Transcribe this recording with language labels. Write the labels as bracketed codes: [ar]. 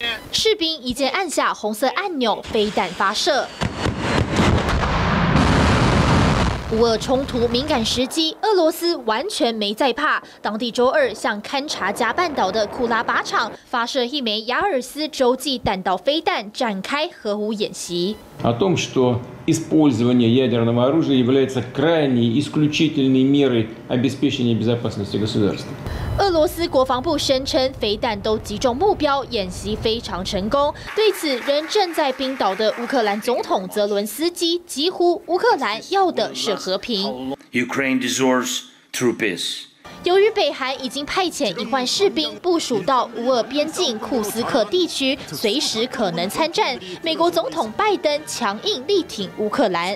[zh] 士兵一键按下红色按钮，飞弹发射。乌俄冲突敏感时机，俄罗斯完全没在怕。当地周二向勘察加半岛的库拉靶场发射一枚雅尔斯洲际弹道飞弹，展开核武演习。 [ru] О том, что использование ядерного оружия является крайней исключительной мерой обеспечения безопасности государства. [zh] 俄罗斯国防部声称飞弹都击中目标，演习非常成功。对此，仍正在冰岛的乌克兰总统泽伦斯基疾呼：“乌克兰要的是和平。” [en] Ukraine deserves true peace. [zh] 由于北韩已经派遣1万士兵部署到乌俄边境库斯克地区，随时可能参战，美国总统拜登强硬力挺乌克兰。